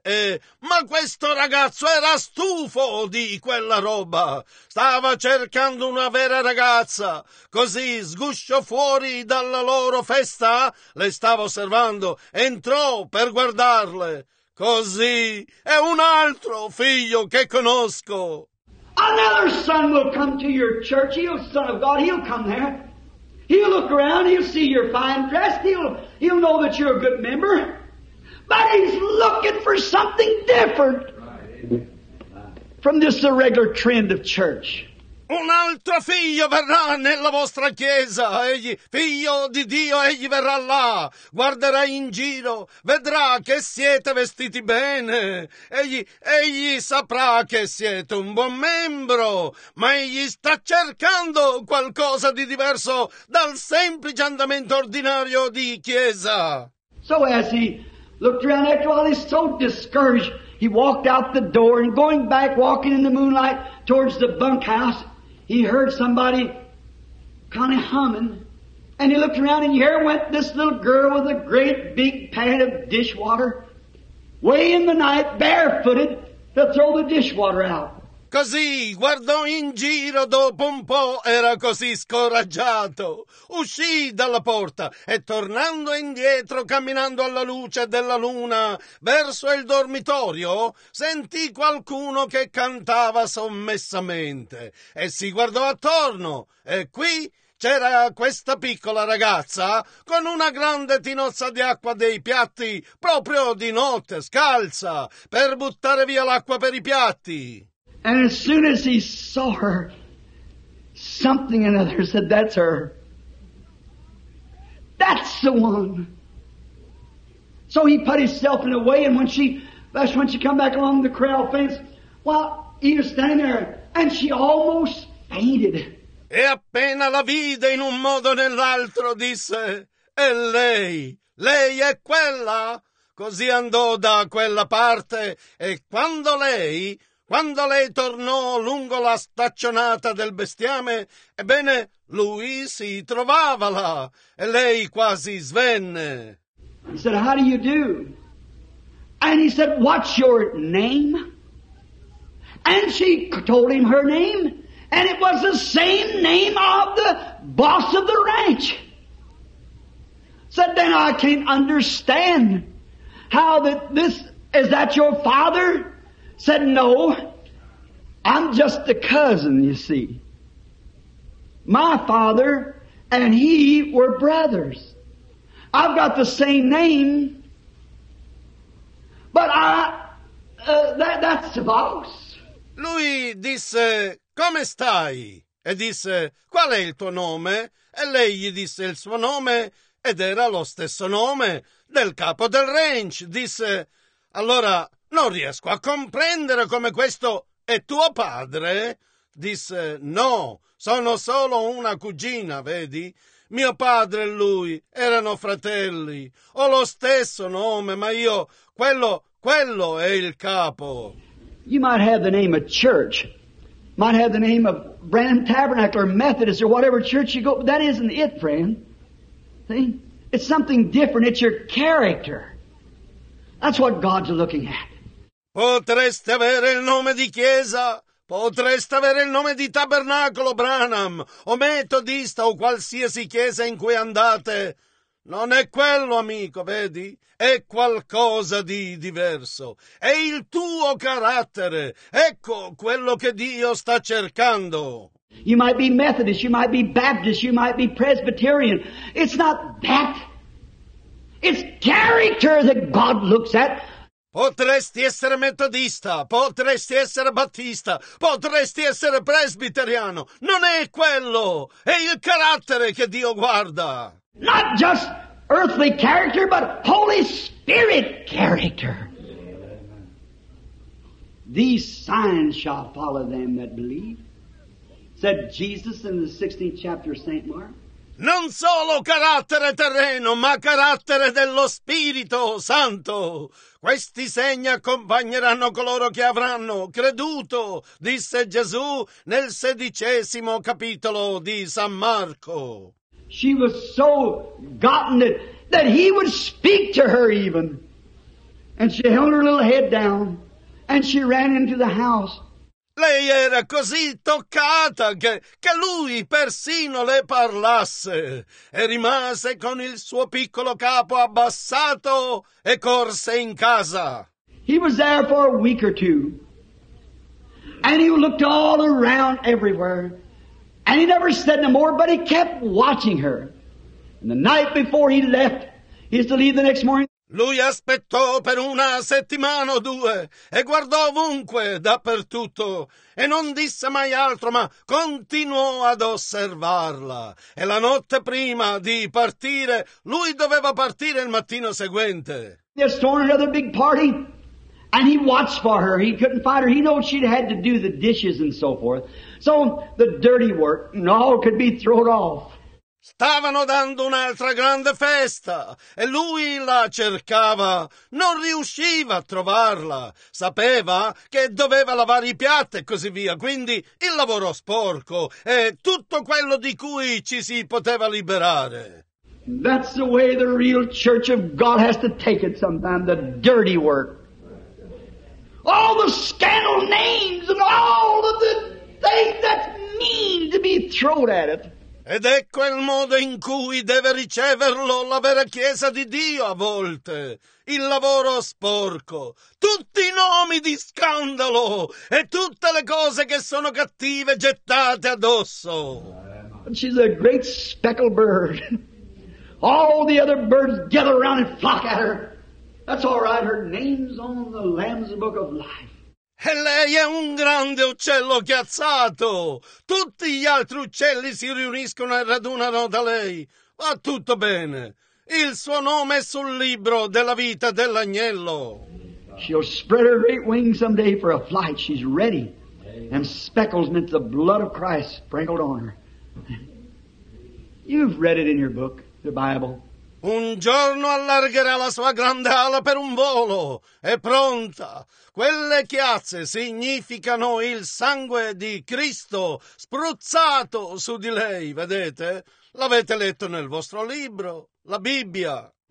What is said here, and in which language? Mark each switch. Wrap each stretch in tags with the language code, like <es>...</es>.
<it>E ma questo ragazzo era stufo di quella roba. Stava cercando una vera ragazza. Così sgusciò fuori dalla loro festa. Le stava osservando. Entrò per guardarle. Così è un altro figlio che conosco.</it> <en>Another son will come to your church. He'll, son of God, he'll come there. He'll look around, he'll see your fine dress, he'll know that you're a good member. But he's looking for something different from just the regular trend of church.</en> <it>Un altro figlio verrà nella vostra chiesa, egli, figlio di Dio, egli verrà là, guarderà in giro, vedrà che siete vestiti bene, egli saprà che siete un buon membro, ma egli sta cercando qualcosa di diverso dal semplice andamento ordinario di chiesa.</it> <en>So as he looked around, after all, he's so discouraged, he walked out the door and going back, walking in the moonlight towards the bunkhouse. He heard somebody kind of humming, and he looked around, and here went this little girl with a great big pan of dishwater, way in the night, barefooted, to throw the dishwater out.</en> <it>Così guardò in giro dopo un po', era così scoraggiato. Uscì dalla porta e tornando indietro, camminando alla luce della luna, verso il dormitorio, sentì qualcuno che cantava sommessamente. E si guardò attorno. E qui c'era questa piccola ragazza con una grande tinozza di acqua dei piatti, proprio di notte, scalza, per buttare via l'acqua per i piatti.</it> <en>And as soon as he saw her, something another said, that's her. That's the one. So he put himself in a way, and when she come back along the corral fence, well, he was standing there, and she almost fainted.</en> <it>E appena la vide in un modo o nell'altro, disse, è lei, lei è quella. Così andò da quella parte, e quando lei tornò lungo la staccionata del bestiame, ebbene, lui si trovava là, e lei quasi svenne.</it> <en>He said, how do you do? And he said, what's your name? And she told him her name, and it was the same name of the boss of the ranch. Said, then I can't understand how that this, is that your father? Said, no. I'm just a cousin, you see. My father and he were brothers. I've got the same name, but that's the boss.</en> <it>Lui disse, come stai? E disse, qual è il tuo nome? E lei gli disse il suo nome, ed era lo stesso nome del capo del ranch. Disse, allora non riesco a comprendere come questo è tuo padre. Disse, no, sono solo una cugina, vedi? Mio padre e lui erano fratelli. Ho lo stesso nome, ma io, quello è il capo.</it> <en>You might have the name of church, might have the name of Branham Tabernacle or Methodist or whatever church you go, but that isn't it, friend. See? It's something different. It's your character. That's what God's looking at.</en> <it>Potreste avere il nome di chiesa, potreste avere il nome di tabernacolo Branham o metodista o qualsiasi chiesa in cui andate. Non è quello, amico, vedi? È qualcosa di diverso. È il tuo carattere. Ecco quello che Dio sta cercando.</it> <en>You might be Methodist, you might be Baptist, you might be Presbyterian. It's not that. It's character that God looks at.</en> <it>Potresti essere metodista, potresti essere battista, potresti essere presbiteriano. Non è quello. È il carattere che Dio guarda.</it> <en>Not just earthly character, but Holy Spirit character. These signs shall follow them that believe, said Jesus in the 16th chapter of St. Mark.</en> <it>Non solo carattere terreno, ma carattere dello Spirito Santo. Questi segni accompagneranno coloro che avranno creduto, disse Gesù nel 16° capitolo di San Marco.</it> <en>She was so gotten it that he would speak to her even. And she held her little head down and she ran into the house.</en> <it>Lei era così toccata che lui persino le parlasse e rimase con il suo piccolo capo abbassato e corse in casa.</it> <en>He was there for a week or two and he looked all around everywhere. And he never said no more, but he kept watching her. And the night before he left, he was to leave the next morning.</en> <it>Lui aspettò per una settimana o due e guardò ovunque, dappertutto. E non disse mai altro, ma continuò ad osservarla. E la notte prima di partire, lui doveva partire il mattino seguente.</it> <en>He was throwing another big party, and he watched for her. He couldn't find her. He knew she'd had to do the dishes and so forth. So the dirty work and all could be thrown off.</en> <it>Stavano dando un'altra grande festa e lui la cercava. Non riusciva a trovarla. Sapeva che doveva lavare i piatti e così via. Quindi il lavoro sporco e tutto quello di cui ci si poteva liberare.</it> <en>That's the way the real church of God has to take it sometimes, the dirty work. All the scandal names and all of the things that mean to be thrown at it.</en> <it>Ed ecco il modo in cui deve riceverlo la vera Chiesa di Dio a volte. Il lavoro sporco, tutti i nomi di scandalo e tutte le cose che sono cattive gettate addosso.</it> <en>She's a great speckled bird. All the other birds gather around and flock at her. That's all right, her name's on the Lamb's Book of Life.</en> <it>E lei è un grande uccello chiazzato. Tutti gli altri uccelli si riuniscono e radunano da lei. Va tutto bene. Il suo nome è sul libro della vita dell'agnello.</it> <en>She'll spread her great wings someday for a flight. She's ready. And speckles meant the blood of Christ sprinkled on her. You've read it in your book, the Bible.</en> <it>Un giorno allargherà la sua grande ala per un volo. È pronta. Quelle chiazze significano il sangue di Cristo spruzzato su di lei, vedete? L'avete letto nel vostro libro, la Bibbia.</it>